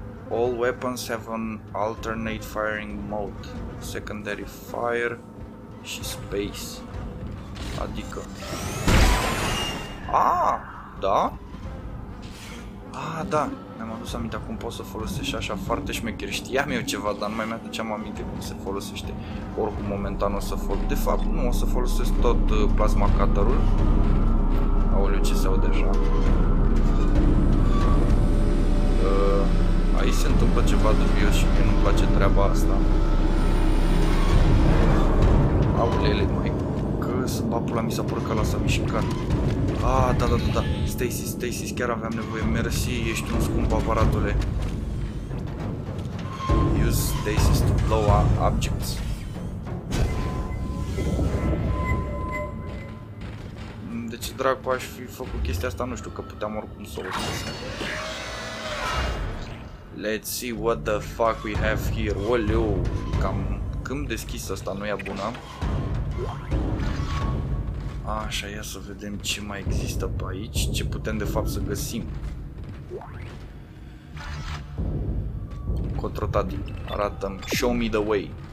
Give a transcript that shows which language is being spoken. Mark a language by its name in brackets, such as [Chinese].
[English] All weapons have an alternate firing mode. Secondary fire și space. [Romanian] Adică... Aaa! Da? Ah, da! Mi-am adus aminte cum pot să folosești așa foarte șmecher. Știam eu ceva, dar nu mai mi-aduceam aminte cum se folosește. Oricum, momentan o să folosesc... De fapt, nu, o să folosesc tot plasma cutter-ul. Aoleu, ce se aude așa? Aici se întâmplă ceva dubios și mie nu-mi place treaba asta. Aulele, măi, că să bapula mi s-a părut că l-a mișcat. Ah, da, Stasis, chiar aveam nevoie, mersi, ești un scump aparatule. [English] Use Stasis to blow objects. [Romanian] De ce dracu aș fi făcut chestia asta? Nu știu, că puteam oricum să o găsesc. [English] Let's see what the fuck we have here. [Romanian] Oleu, cam câmp deschis ăsta, nu e bună. Așa, ia să vedem ce mai există pe aici, ce putem de fapt să găsim. Cotrotadi, arată-mi, [English] show me the way.